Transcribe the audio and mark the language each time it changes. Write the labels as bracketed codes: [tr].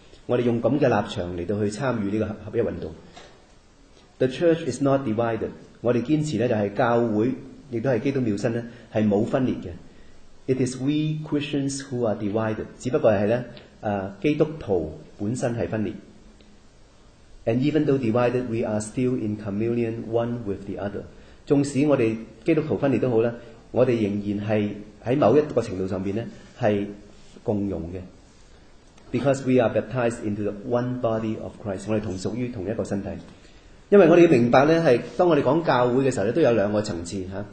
[zh] 我們用這樣的立場來去參與這個合一運動。 [en] The church is not divided. [zh] 我們堅持呢，就是教會也是基督廟身呢是沒有分裂的。 [en] It is we Christians who are divided. [zh] 只不過是呢，基督徒本身是分裂。 [en] And even though divided, we are still in communion one with the other. [zh] 縱使我們基督徒分裂都好，我們仍然是在某一個程度上面是共融的。 [en] Because we are baptized into the one body of Christ. [zh] 我們同屬於同一個身體。因為我們要明白呢，當我們講教會的時候都有兩個層次。